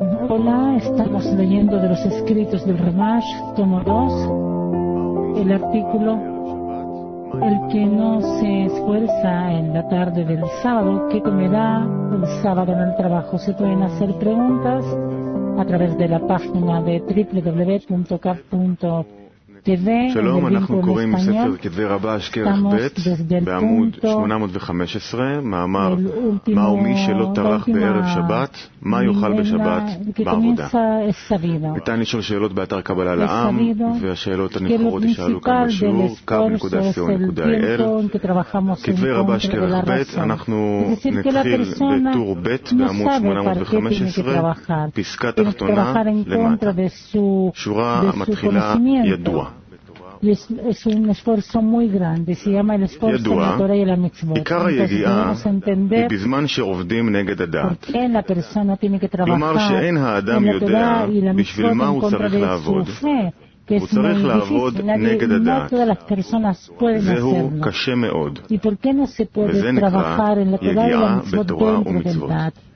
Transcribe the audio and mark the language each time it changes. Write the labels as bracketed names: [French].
[Spanish] Hola, estamos leyendo de los escritos del Ramash, tomo 2, el artículo, el que no se esfuerza en la tarde del sábado, ¿qué comerá el sábado en el trabajo? Se pueden hacer preguntas a través de la página de www.kav.org. [Hebrew] שלום, אנחנו קוראים מספר כתבי רבה אשכרך ב' בעמוד 815, מאמר מהו מי שלא טרח בערב שבת, מה יאכל בשבת בעבודה. ניתן לשאול שאלות באתר קבלה לעם, והשאלות הנבחרות ישאלו כאן בשיעור, kav.co.il. כתבי רבה אשכרך ב', אנחנו נתחיל בטור ב' בעמוד 815, פסקה תחתונה למטה. שורה המתחילה ידוע. [Spanish] Es un esfuerzo muy grande, se llama el esfuerzo de la Torah y la Mitzvot. [Hebrew] עיקר היגיעה היא בזמן שעובדים נגד הדת. כלומר שאין האדם יודע בשביל מה הוא צריך לעבוד. הוא צריך לעבוד נגד הדת. זהו קשה מאוד. וזה נקרא יגיעה בתורה ומצוות.